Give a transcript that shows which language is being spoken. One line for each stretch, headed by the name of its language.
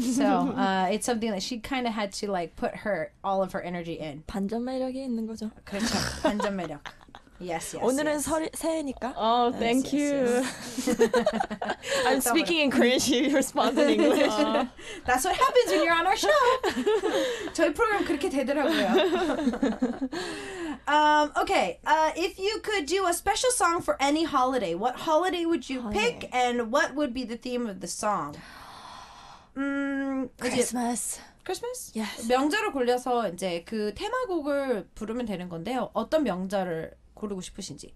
English: So it's something that she kind of had to, like, put her all of her energy in.
Korean: 반전 매력이 있는 거죠. 그렇죠, 반전 매력.
English: Yes, yes.
Korean: 오늘은
English: yes.
Korean: 새해니까.
English: Oh, yes, thank yes, you. Yes. I'm speaking in Korean. She responds in English. That's what happens when you're on our show.
Korean: 저희 프로그램 그렇게 되더라고요.
English: okay. If you could do a special song for any holiday, what holiday would you pick, and what would be the theme of the song? Christmas. Christmas? Yes.
Korean: 명절을 골려서 이제 그 테마곡을 부르면 되는 건데요. 어떤 명절을 고르고 싶으신지.